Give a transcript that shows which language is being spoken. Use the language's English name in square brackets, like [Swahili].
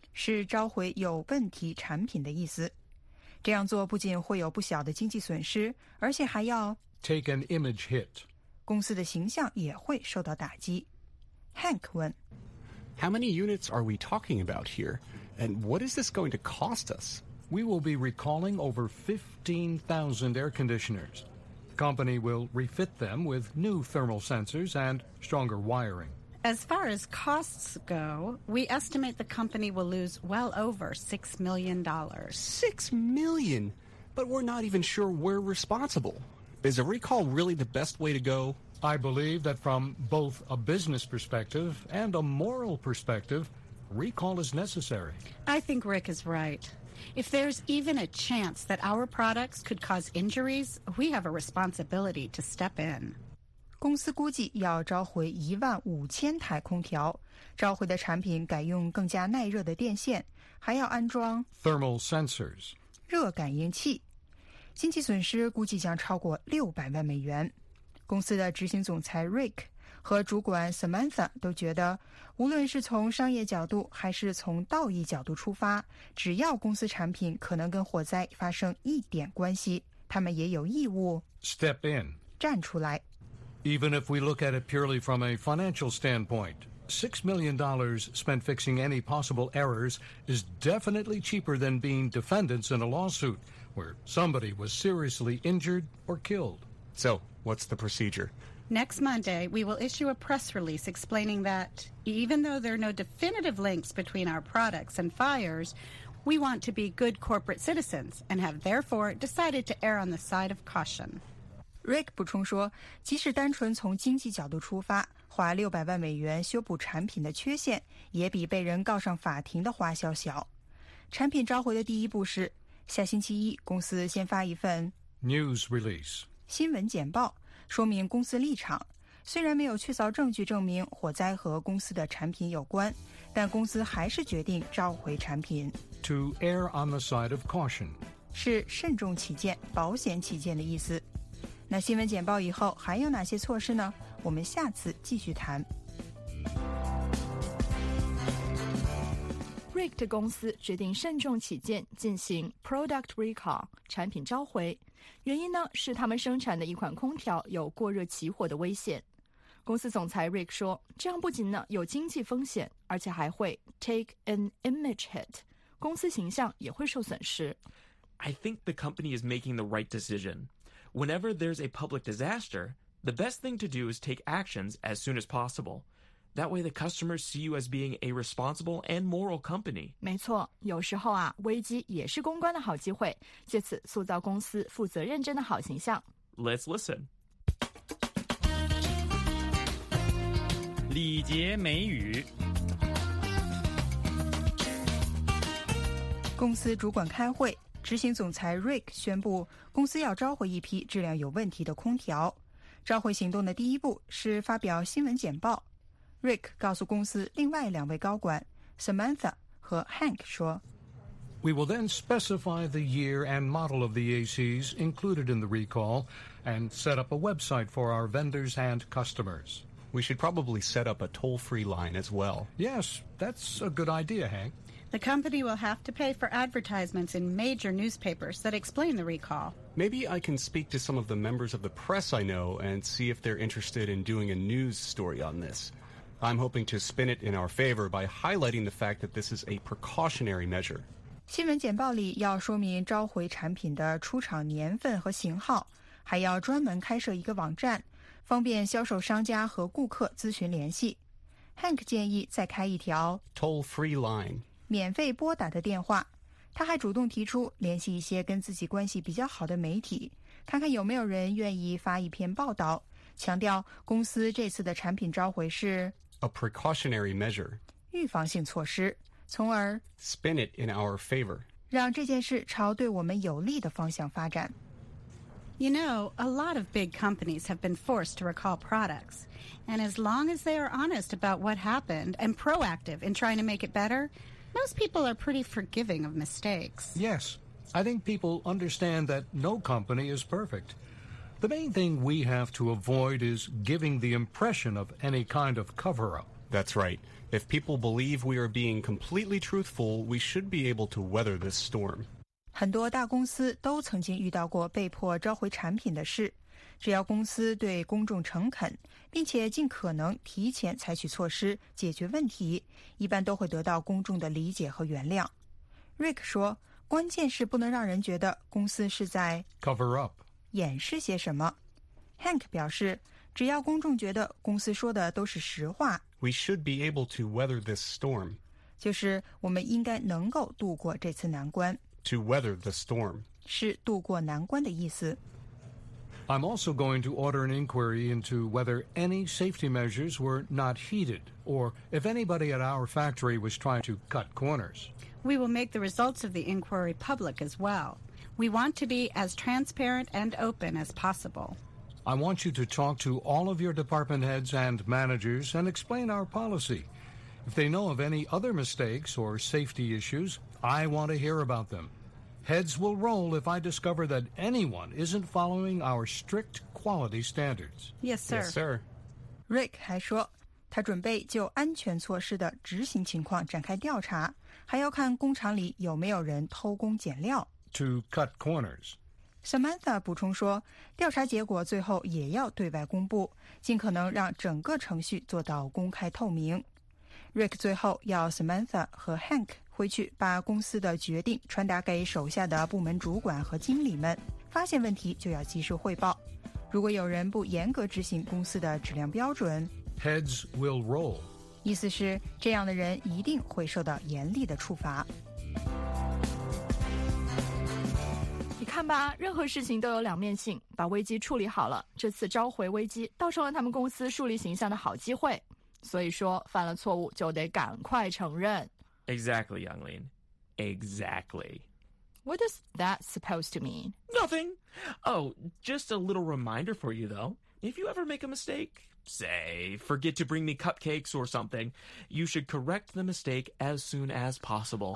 [Chinese] 是召回有问题产品的意思。这样做不仅会有不小的经济损失，而且还要 [English] take an image hit， [Chinese] 公司的形象也会受到打击。 Hank 问， [English] How many units are we talking about here? And what is this going to cost us? We will be recalling over 15,000 air conditioners. The company will refit them with new thermal sensors and stronger wiring. As far as costs go, we estimate the company will lose well over $6 million. $6 million? But we're not even sure we're responsible. Is a recall really the best way to go? I believe that from both a business perspective and a moral perspective, recall is necessary. I think Rick is right. If there's even a chance that our products could cause injuries, we have a responsibility to step in. [Chinese] 公司估计要召回15,000台空调，召回的产品改用更加耐热的电线，还要安装 [English] thermal sensors [Chinese] 热感应器。经济损失估计将超过$6,000,000。公司的执行总裁 Rick 和主管 Samantha 都觉得，无论是从商业角度还是从道义角度出发，只要公司产品可能跟火灾发生一点关系，他们也有义务 [English] step in [Chinese] 站出来。 [English] Even if we look at it purely from a financial standpoint, $6 million spent fixing any possible errors is definitely cheaper than being defendants in a lawsuit where somebody was seriously injured or killed. So, what's the procedure? Next Monday, we will issue a press release explaining that even though there are no definitive links between our products and fires, we want to be good corporate citizens and have therefore decided to err on the side of caution. [Chinese] Rick 补充说，即使单纯从经济角度出发，花$6,000,000修补产品的缺陷，也比被人告上法庭的花销小。产品召回的第一步是，下星期一公司先发一份 [English] news release [Chinese] 新闻简报，说明公司立场。虽然没有确凿证据证明火灾和公司的产品有关，但公司还是决定召回产品。 [English] To err on the side of caution [Chinese] 是慎重起见、保险起见的意思。那新闻简报以后还有哪些措施呢？我们下次继续谈。 Rick 的公司决定慎重起见，进行 [English] product recall [Chinese] 产品召回，原因呢是他们生产的一款空调有过热起火的危险。公司总裁 Rick 说，这样不仅呢有经济风险，而且还会 [English] take an image hit， [Chinese] 公司形象也会受损失。 [English] I think the company is making the right decision. Whenever there's a public disaster, the best thing to do is take actions as soon as possible. That way the customers see you as being a responsible and moral company. [Chinese] 没错，有时候啊，危机也是公关的好机会，借此塑造公司负责认真的好形象。 [English] Let's listen. [Chinese] 礼节美语。公司主管开会。执行总裁 Rick 宣布公司要召回一批质量有问题的空调。召回行动的第一步是发表新闻简报。Rick 告诉公司另外两位高管 Samantha 和 Hank 说 [English] We will then specify the year and model of the ACs included in the recall and set up a website for our vendors and customers. We should probably set up a toll-free line as well. Yes, that's a good idea, Hank. The company will have to pay for advertisements in major newspapers that explain the recall. Maybe I can speak to some of the members of the press I know and see if they're interested in doing a news story on this. I'm hoping to spin it in our favor by highlighting the fact that this is a precautionary measure. [Chinese] 新闻简报里要说明召回产品的出厂年份和型号，还要专门开设一个网站，方便销售商家和顾客咨询联系。 Hank 建议再开一条 [English] toll-free line. [Chinese] 免费拨打的电话，他还主动提出联系一些跟自己关系比较好的媒体，看看有没有人愿意发一篇报道，强调公司这次的产品召回是 [English] a precautionary measure， [Chinese] 预防性措施，从而 [English] spin it in our favor， [Chinese] 让这件事朝对我们有利的方向发展。 [English] You know, a lot of big companies have been forced to recall products. And as long as they are honest about what happened and proactive in trying to make it better,Most people are pretty forgiving of mistakes. Yes, I think people understand that no company is perfect. The main thing we have to avoid is giving the impression of any kind of cover-up. That's right. If people believe we are being completely truthful, we should be able to weather this storm. [Chinese] 很多大公司都曾经遇到过被迫召回产品的事。只要公司对公众诚恳，并且尽可能提前采取措施解决问题，一般都会得到公众的理解和原谅。 Rick 说，关键是不能让人觉得公司是在 cover up 掩饰些什么。 Hank 表示，只要公众觉得公司说的都是实话， [English] We should be able to weather this storm. [Chinese] 就是我们应该能够度过这次难关。 [English] To weather the storm. [Chinese] 是度过难关的意思。 [English] I'm also going to order an inquiry into whether any safety measures were not heeded, or if anybody at our factory was trying to cut corners. We will make the results of the inquiry public as well. We want to be as transparent and open as possible. I want you to talk to all of your department heads and managers and explain our policy. If they know of any other mistakes or safety issues, I want to hear about them. Heads will roll if I discover that anyone isn't following our strict quality standards. Yes, sir. Yes, sir. [Chinese] Rick 还说，他准备就安全措施的执行情况展开调查，还要看工厂里有没有人偷工减料。 [English] To cut corners. [Chinese] Samantha 补充说，调查结果最后也要对外公布，尽可能让整个程序做到公开透明。 Rick 最后要 Samantha 和 Hank回去把公司的决定传达给手下的部门主管和经理们，发现问题就要及时汇报。如果有人不严格执行公司的质量标准 [English] ，Heads will roll， [Chinese] 意思是这样的人一定会受到严厉的处罚。你看吧，任何事情都有两面性，把危机处理好了，这次召回危机倒成了他们公司树立形象的好机会。所以说，犯了错误就得赶快承认。 [English] Exactly, Younglin. Exactly. What is that supposed to mean? Nothing. Oh, just a little reminder for you, though. If you ever make a mistake, say, forget to bring me cupcakes or something, you should correct the mistake as soon as possible.